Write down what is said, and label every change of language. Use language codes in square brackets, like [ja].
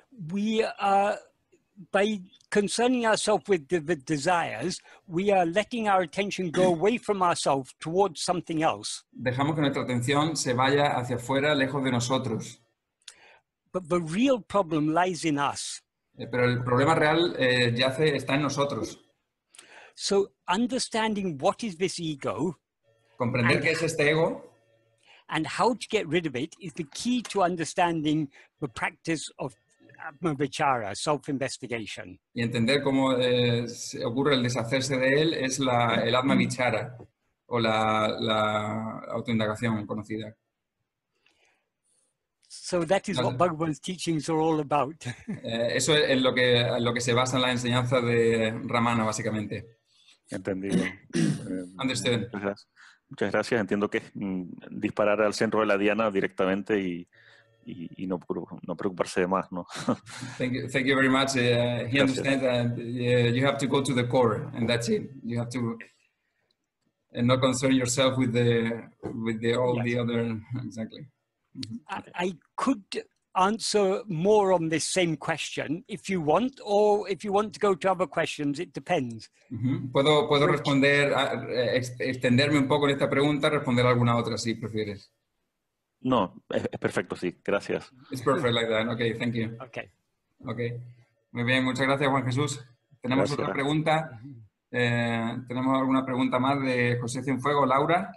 [en] we are, by concerning ourselves with the desires, we are letting our attention go away from ourselves towards something else. [es] Dejamos que nuestra atención se vaya hacia afuera, lejos de nosotros. [en] But the real problem lies in us. [es] Pero el problema real está en nosotros. [en] So understanding what is this ego, [es] comprender qué es este ego, [en] and how to get rid of it is the key to understanding the practice of ātma-vicāra, self-investigation. [es] Y entender cómo ocurre el deshacerse de él es el ātma-vicāra o la autoindagación conocida. [en] So that is what Bhagavan's teachings are all about. [es] Eso es en lo que se basa en la enseñanza de Ramana, básicamente. Entendido. [en] Understood. [es] Muchas gracias. Entiendo que es disparar al centro de la diana directamente y no, no preocuparse de más, ¿no? [en] Thank you very much. He understands that you have to go to the core, and that's it. You have to and not concern yourself with the all yes. the other exactly. Mm-hmm. I could answer more on this same question if you want, or if you want to go to other questions, it depends. Mm-hmm. [es] Puedo responder, extenderme un poco en esta pregunta, responder alguna otra si prefieres. No, es perfecto, sí, gracias. [en] It's perfect like that, okay, thank you. Okay. [es] Okay, muy bien, muchas gracias Juan Jesús. Tenemos gracias. Otra pregunta, tenemos alguna pregunta más de José Cienfuegos, Laura.